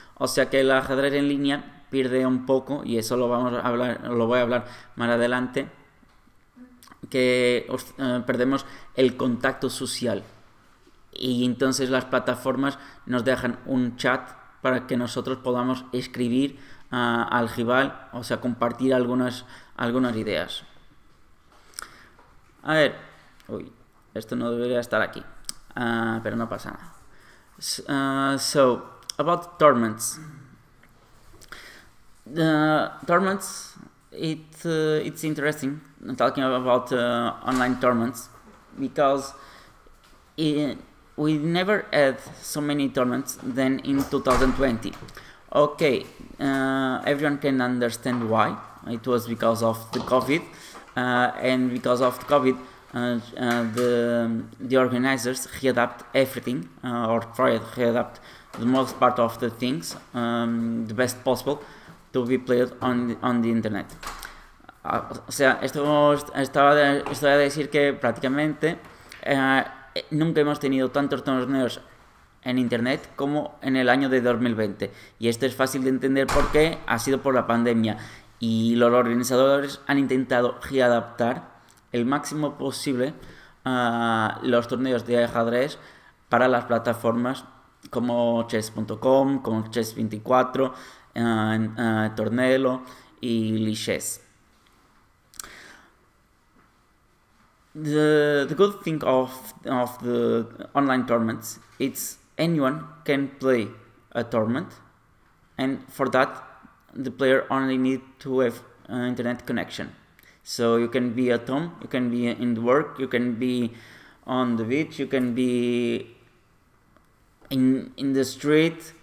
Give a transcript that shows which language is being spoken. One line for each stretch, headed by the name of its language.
Spanish: O sea que el ajedrez en línea pierde un poco, y eso lo voy a hablar más adelante, que perdemos el contacto social, y entonces las plataformas nos dejan un chat para que nosotros podamos escribir al rival, o sea, compartir algunas ideas. A ver, uy, esto no debería estar aquí, pero no pasa nada.
English: So, about tournaments. Tournaments, it's interesting talking about online tournaments because we never had so many tournaments than in 2020. Okay, everyone can understand why. It was because of the COVID, and because of the COVID, the organizers readapt everything, or tried to readapt the most part of the things, the best possible to be played on the internet.
Spanish: O sea, estaba a decir que prácticamente nunca hemos tenido tantos torneos en Internet como en el año de 2020. Y esto es fácil de entender porque ha sido por la pandemia. Y los organizadores han intentado readaptar el máximo posible los torneos de ajedrez para las plataformas como chess.com, como chess24, Tornelo y Lichess.
English: The good thing of the online tournaments, it's anyone can play a tournament, and for that, the player only need to have an internet connection. So you can be at home, you can be in the work, you can be on the beach, you can be in the street.